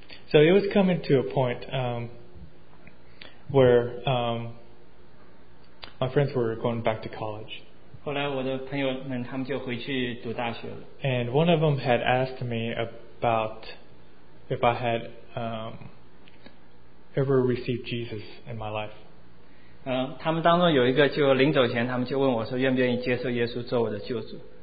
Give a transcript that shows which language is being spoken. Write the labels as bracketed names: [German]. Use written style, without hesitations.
[English] So it was coming to a point where my friends were going back to college. [Chinese] 后来我的朋友们他们就回去读大学了。 [English] And one of them had asked me about if I had ever received Jesus in my life. [Chinese] 他们当中有一个就临走前，他们就问我说，愿不愿意接受耶稣做我的救主？